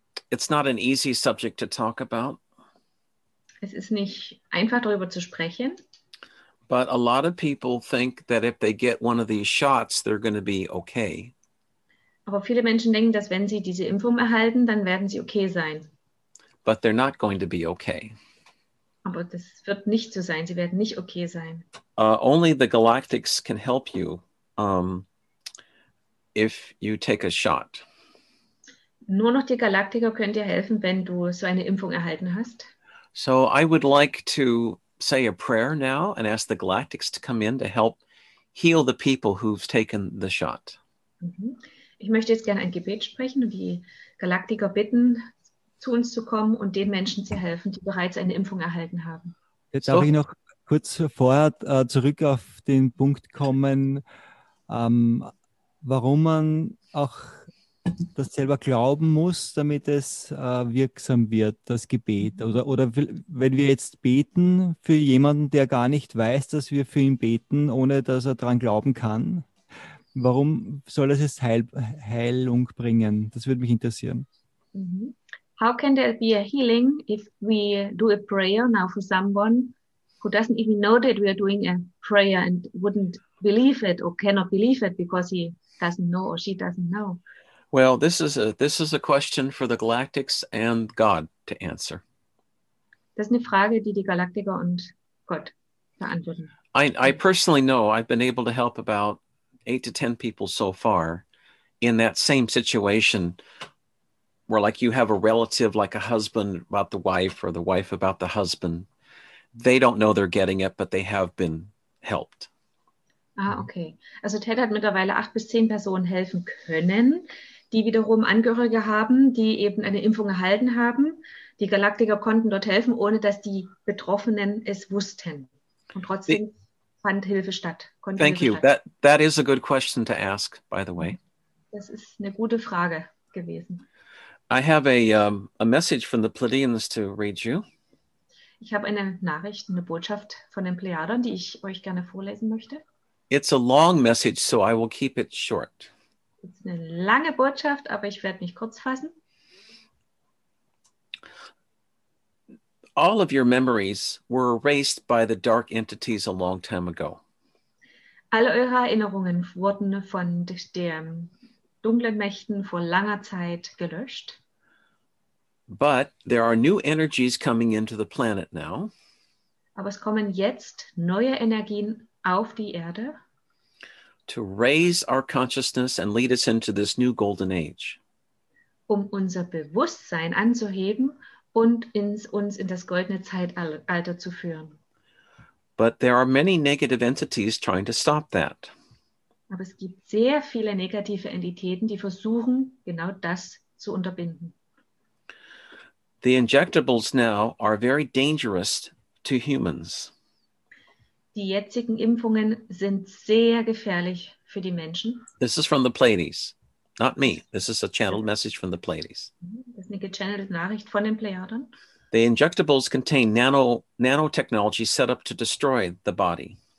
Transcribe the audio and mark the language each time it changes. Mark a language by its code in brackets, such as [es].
[en] It's not an easy subject to talk about. [de] Es ist nicht einfach, darüber zu sprechen. [en] But a lot of people think that if they get one of these shots, they're going to be okay. [de] Aber viele Menschen denken, dass wenn sie diese Impfung erhalten, dann werden sie okay sein. [en] But they're not going to be okay. [de] Aber das wird nicht so sein. Sie werden nicht okay sein. [en] Only the galactics can help you if you take a shot. [de] Nur noch die Galaktiker können dir helfen, wenn du so eine Impfung erhalten hast. [en] So I would like to say a prayer now and ask the galactics to come in to help heal the people who've taken the shot. [de] Ich möchte jetzt gerne ein Gebet sprechen und die Galaktiker bitten, zu uns zu kommen und den Menschen zu helfen, die bereits eine Impfung erhalten haben. Jetzt darf ich noch kurz vorher zurück auf den Punkt kommen, warum man auch das selber glauben muss, damit es wirksam wird, das Gebet. Oder wenn wir jetzt beten für jemanden, der gar nicht weiß, dass wir für ihn beten, ohne dass er daran glauben kann, warum soll das jetzt Heilung bringen? Das würde mich interessieren. [en] How can there be a healing if we do a prayer now for someone who doesn't even know that we are doing a prayer and wouldn't believe it or cannot believe it because he doesn't know or she doesn't know? Well, this is a question for the Galactics and God to answer. [de] Das ist eine Frage, die Galaktiker und Gott beantworten. [en] I personally know I've been able to help about 8 to 10 people so far in that same situation where like you have a relative, like a husband about the wife or the wife about the husband. They don't know they're getting it, but they have been helped. Ah, okay. [de] Also Ted hat mittlerweile 8 bis 10 Personen helfen können, die wiederum Angehörige haben, die eben eine Impfung erhalten haben. Die Galaktiker konnten dort helfen, ohne dass die Betroffenen es wussten. Und trotzdem fand Hilfe statt. [en] Thank you. That is a good question to ask, by the way. [de] Das ist eine gute Frage gewesen. [en] I have a message from the Pleiadians to read you. [de] Ich habe eine Nachricht, eine Botschaft von den Plejadern, die ich euch gerne vorlesen möchte. [en] It's a long message, so I will keep it short. [de] Das ist eine lange Botschaft, aber ich werde mich kurz fassen. [en] All of your memories were erased by the dark entities a long time ago. [de] Alle eure Erinnerungen wurden von den dunklen Mächten vor langer Zeit gelöscht. [en] But there are new energies coming into the planet now. [de] Aber es kommen jetzt neue Energien auf die Erde. [en] To raise our consciousness and lead us into this new golden age. [de] Um unser Bewusstsein anzuheben und uns in das goldene Zeitalter zu führen. [en] But there are many negative entities trying to stop that. [de] Aber es gibt sehr viele negative Entitäten, die versuchen, genau das zu unterbinden. [en] The injectables now are very dangerous to humans. [de] Die jetzigen Impfungen sind sehr gefährlich für die Menschen. [en] This is from the Pleiades, not me. This is a channeled message from the Pleiades. [de] Das ist eine gechannelte Nachricht von den Plejadern. [en] The injectables contain nanotechnology set up to destroy the body.